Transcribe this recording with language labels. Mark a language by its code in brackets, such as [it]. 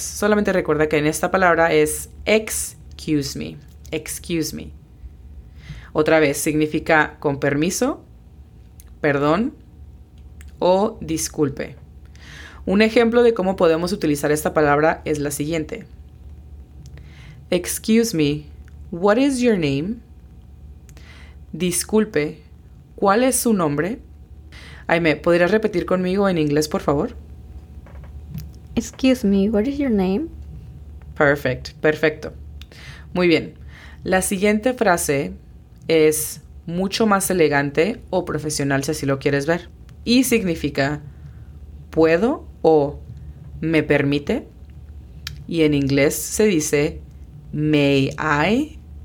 [es] Solamente recuerda que en esta palabra es [en] excuse me. Excuse me. [es] Otra vez, significa con permiso, perdón o disculpe. Un ejemplo de cómo podemos utilizar esta palabra es la siguiente. [en] Excuse me, what is your name? [es] Disculpe, ¿cuál es su nombre? Aime, ¿podrías repetir conmigo en inglés, por favor? [en] Excuse me, what is your name? [es] Perfecto, perfecto. Muy bien, la siguiente frase es mucho más elegante o profesional, si así lo quieres ver, y significa puedo o me permite. Y en inglés se dice [en] may I.